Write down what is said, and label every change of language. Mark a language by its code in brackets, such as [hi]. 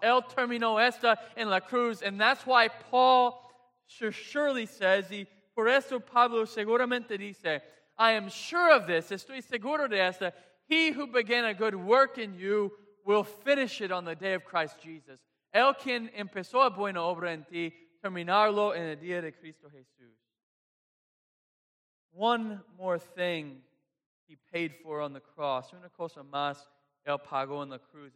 [es] Él terminó esta en la cruz. [en] And that's why Paul surely says, [es] y por eso Pablo seguramente dice, [en] I am sure of this, [es] estoy seguro de esta, [en] he who began a good work in you will finish it on the day of Christ Jesus. [es] El quien empezó a buena obra en ti, terminarlo en el día de Cristo Jesús. [en] One more thing he paid for on the cross. [es] Una cosa más él pagó en la cruz.